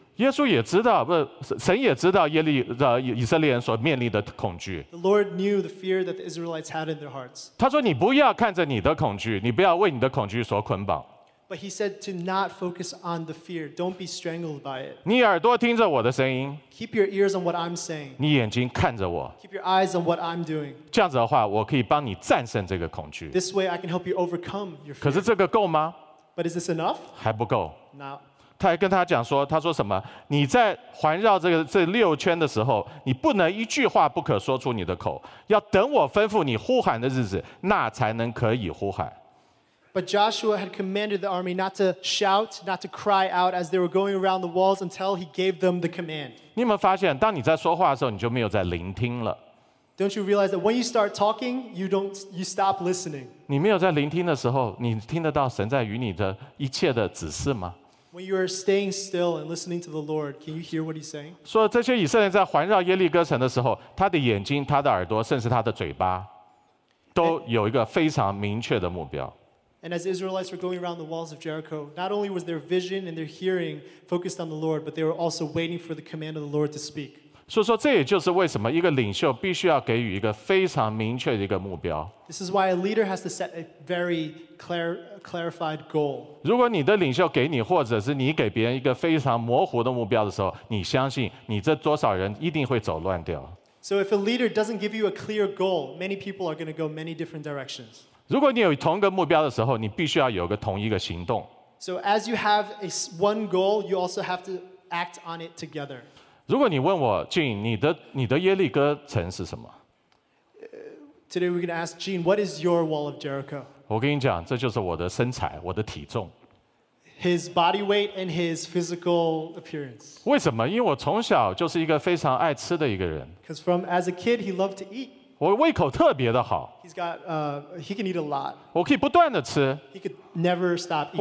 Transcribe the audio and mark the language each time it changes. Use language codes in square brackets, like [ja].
[zh] 耶稣也知道，不，神也知道耶利以色列人所面临的恐惧。 [en] The Lord knew the fear that the Israelites had in their hearts. [zh] 他说：“你不要看着你的恐惧，你不要为你的恐惧所捆绑。” [en] But he said to not focus on the fear. Don't be strangled by it. [zh] 你耳朵听着我的声音。 [en] Keep your ears on what I'm saying. [zh] 你眼睛看着我。 [en] Keep your eyes on what I'm doing. [zh] 这样子的话，我可以帮你战胜这个恐惧。 [en] This way, I can help you overcome your fear. [zh] 可是这个够吗 [en] ？But is this enough? [zh] 还不够。 [en] Now. [zh] 他还跟他讲说，他说什么？你在环绕这六圈的时候，你不能一句话不可说出你的口，要等我吩咐你呼喊的日子，那才能可以呼喊。 [en] But Joshua had commanded the army not to shout, not to cry out as they were going around the walls until he gave them the command. [zh] 你有没有发现，当你在说话的时候，你就没有在聆听了 [en] ？Don't you realize that when you start talking, you stop listening? [zh] 你没有在聆听的时候，你听得到神在与你的一切的指示吗？ [en] When you are staying still and listening to the Lord, can you hear what He's saying? [zh] 说这些以色列人在环绕耶利哥城的时候，他的眼睛、他的耳朵，甚至他的嘴巴，都有一个非常明确的目标。 [en] And as Israelites were going around the walls of Jericho, not only was their vision and their hearing focused on the Lord, but they were also waiting for the command of the Lord to speak. [zh] 所以说，这也就是为什么一个领袖必须要给予一个非常明确的一个目标。 [en] This is why a leader has to set a very clarified goal. [zh] 如果你的领袖给你，或者是你给别人一个非常模糊的目标的时候，你相信你这多少人一定会走乱掉。 [en] So if a leader doesn't give you a clear goal, many people are going to go many different directions. [zh] 如果你有同一个目标的时候，你必须要有个同一个行动。 [en] So as you have one goal, you also have to act on it together. [zh] 如果你问我 ，Gene， 你的耶利哥城是什么 [en] ？Today we're going to ask Gene, what is your wall of Jericho? [zh] 我跟你讲，这就是我的身材，我的体重。 [en] His body weight and his physical appearance. [zh] 为什么？因为我从小就是一个非常爱吃的一个人。 [en] Because from as a kid, he loved to eat. [zh] 我胃口特别的好。 [en] He's got he can eat a lot. [zh] 我可以不断的吃。 [en] He could never stop eating.